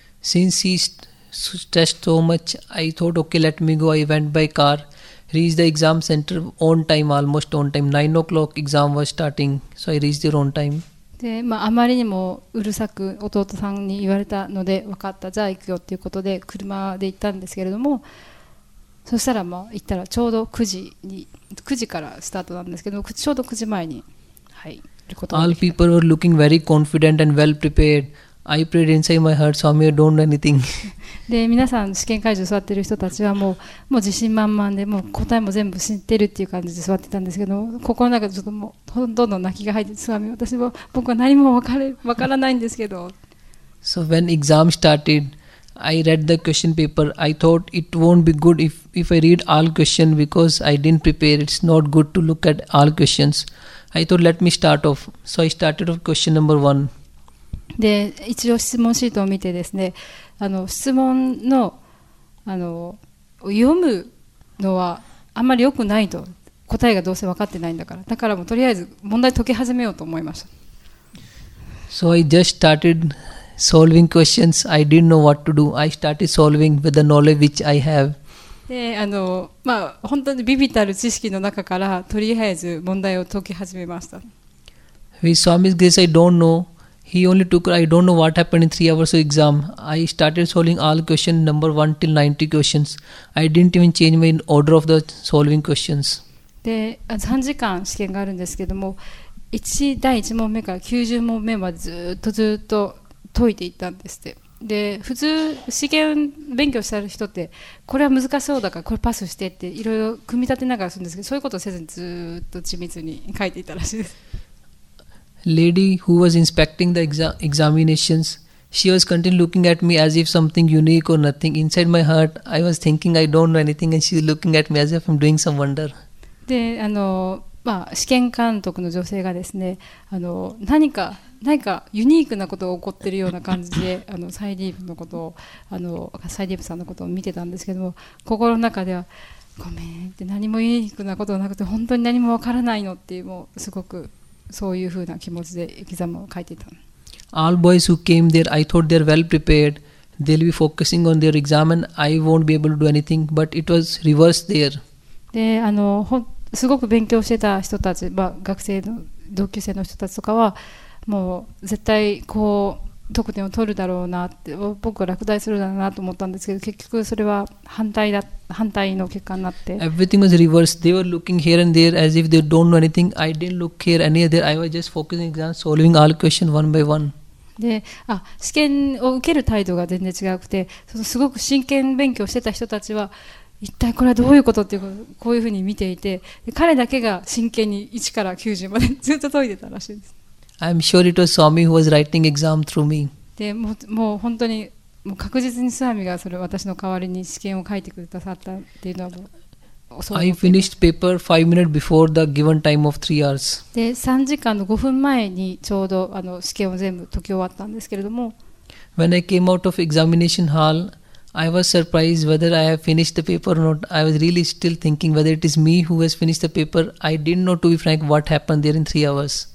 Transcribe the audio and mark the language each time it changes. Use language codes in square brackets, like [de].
[en] Since he stressed so much, I thought, okay, let me go. I went by car, reached the exam center on time, almost on time. 9 o'clock exam was starting, so I reached there on time. [ja] で、まあ、あまりにもうるさく弟さんに言われたので分かった、じゃあ行くよということで車で行ったんですけれども、そしたらまあ行ったらちょうど9時に9時からスタートなんですけど、ちょうど9時前に、はい、ることができた。 [en] All people were looking very confident and well prepared. I prayed inside my heart, Swami, I don't know anything. [ja] で、皆さん試験会場座ってる人たちはもう自信満々でもう答えも全部知ってるっていう感じで座ってたんですけど、心の中でちょっともうどんどん泣きが入って、スワミ、私も僕は何も分からないんですけど。 [en] So when exam started, I read the question paper. I thought it won't be good if I read all questions because I didn't prepare. It's not good to look at all questions. I thought let me start off. So I started off question number one. [ja] で、一応質問シートを見てですね、あの質問の、あの読むのはあんまり良くないと、答えがどうせ分かってないんだから、だからもうとりあえず問題解き始めようと思いました。 [en] So I just started solving questions. I didn't know what to do. I started solving with the knowledge which I have. [ja] で、あの、まあ、本当に微々たる知識の中からとりあえず問題を解き始めました。 [en] We saw Miss Grace, I don't knowHe only took, I don't know what happened in 3 hours of exam. I started solving all questions, number 1 till 90 questions. I didn't even change my order of the solving questions. [ja] で、3時間試験があるんですけども、第1問目から90問目はずっと解いていったんですって。で、普通試験勉強してる人って、これは難しそうだからこれパスしてっていろいろ組み立てながらするんですけど、そういうことをせずにずっと緻密に書いていたらしいです。 [en] Lady who was inspecting the examinations, she was continually looking at me as if something unique or nothing. Inside my heart, I was thinking I don't know anything, and she's looking at me as if I'm doing some wonder. [ja] で、あの、まあ、試験監督の女性がですね、あの、何かユニークなことが起こってるような感じで、あのサイディープのことを、あのサイディープさんのことを見てたんですけども、心の中ではごめんって、何もユニークなことがなくて本当に何もわからないのっていう、もうすごく。そういうふうな気持ちでエキザムを書いていた。 [en] All boys who came there, I thought they're well prepared. They'll be focusing on their exam and I won't be able to do anything. But it was reversed there. [ja] で、あの、すごく勉強してた人たち、まあ、学生の同級生の人たちとかはもう絶対こう得点を取るだろうなって、僕は落第するだろうなと思ったんですけど、結局それは反対の結果になって、 [en] Everything was reversed. They were looking here and there as if they don't know anything. I didn't look here any other. I was just focusing on solving all questions one by one. [ja] で、あ、試験を受ける態度が全然違くて、そのすごく真剣勉強してた人たちは一体これはどういうことっていうこういうふうに見ていて、で、彼だけが真剣に1から90までずっと解いてたらしいです。 [en] I'm sure it was Swami who was writing exam through me. [ja] で、もう本当に、もう確実にスワミがそれ私の代わりに試験を書いてくださったっていうのは、そう思って。 [en] I finished paper 5 minutes before the given time of 3 hours. [ja] で、3時間の5分前にちょうどあの試験を全部解き終わったんですけれども。 [en] When I came out of examination hall, I was surprised whether I have finished the paper or not. I was really still thinking whether it is me who has finished the paper. I didn't know, to be frank, what happened there in 3 hours.